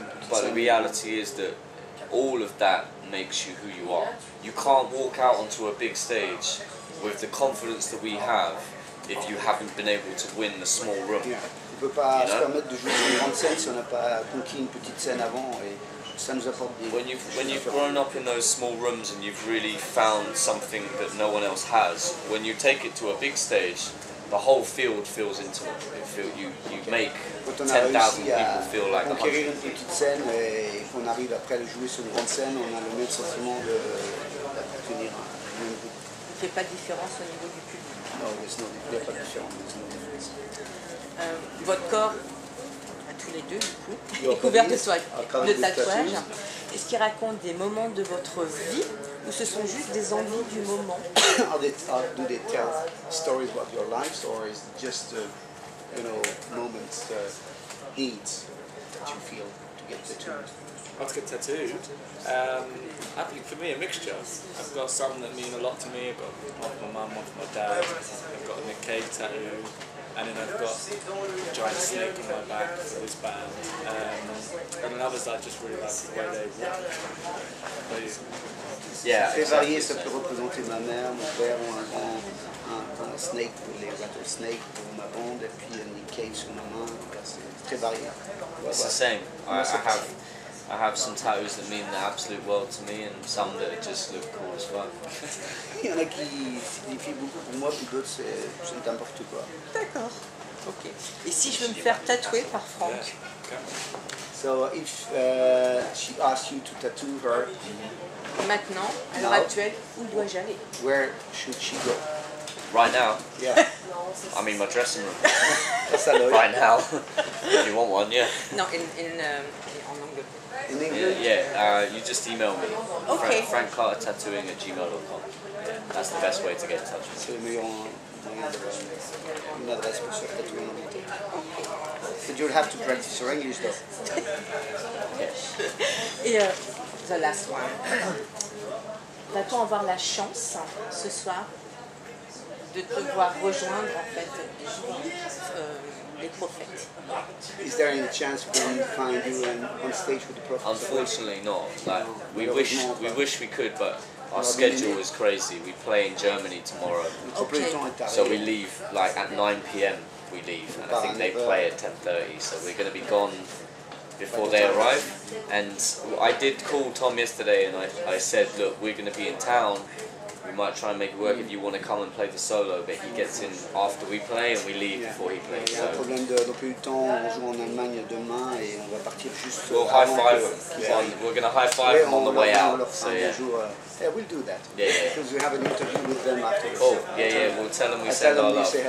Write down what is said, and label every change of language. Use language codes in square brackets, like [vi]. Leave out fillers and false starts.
[en] But the reality is that all of that makes you who you are. You can't walk out onto a big stage with the confidence that we have if you haven't been able to win the small room. Yeah. [fr] On ne peut pas se permettre de jouer une grande scène si on n'a pas conquis une petite scène avant et ça nous apporte des choses. [en] When you've grown up in those small rooms and you've really found something that no one else has, when you take it to a big stage, the whole field feels into it. You make 10,000 people feel like 100. [fr] Quand on arrive à une petite scène et qu'on arrive après à jouer sur une grande scène, on a le même sentiment d'appartenir à un même groupe. Il n'y a pas de différence au niveau du public. Non, il n'y a pas de différence. Votre corps, à tous les deux du coup, est couvert de tatouages. Est-ce qu'il raconte des moments de votre vie ou ce sont juste des envies du moment? [en] Do they tell stories about your life or is it just moments, needs that you feel to get tattooed? I'll get tattooed. I think for me a mixture. I've got some that mean a lot to me. I've got one for my mum, one for my dad. I've got a cave tattoo. And then I've got a giant snake on my back for this band. And then others I just really like the way they walk. Yeah, exactly. [fr] Varier, ça peut représenter ma mère, mon père, ou un snake pour les rattlesnakes pour ma bande, et puis une cave sur ma main. C'est très varié. [en] It's the same. I have some tattoos that mean the absolute world to me, and some that just look cool as fuck. [fr] Il y en a qui signifient beaucoup pour moi, puis d'autres c'est n'importe quoi. D'accord. Ok. Et si je veux me faire tatouer par Frank? [en] So if she asks you to tattoo her. [fr] Maintenant, à l'heure actuelle, où dois-je aller? [en] Where should she go? Right now? Yeah. I'm in my dressing room. Right now. If you want one, yeah. No, in English? Yeah, you just email me. Okay. frankcartertattooing@gmail.com. That's the best way to get in touch with me. But you'll have to practice your English though. Yeah, the last one. [fr] Va-t-on avoir la chance ce soir de te voir rejoindre en fait les prophètes? [en] Is there any chance we can find you on stage with the prophets? Unfortunately not. Like, we wish we could, but our schedule is crazy. We play in Germany tomorrow. Okay. So we leave like at 9 p.m. we leave, and I think they play at 10:30. So we're going to be gone before they arrive. And I did call Tom yesterday and I said, look, we're going to be in town. We might try and make it work if you want to come and play the solo, but he gets in after we play and we leave before he plays. [fr] Il y a un problème de n'a plus eu le temps, on joue en Allemagne demain et on va partir juste. [en] We'll high five him. We're going to high five him on the way out. So, yeah, we'll do that. Yeah. Because we have an interview with them after this. Oh, yeah, we'll tell them we said our love.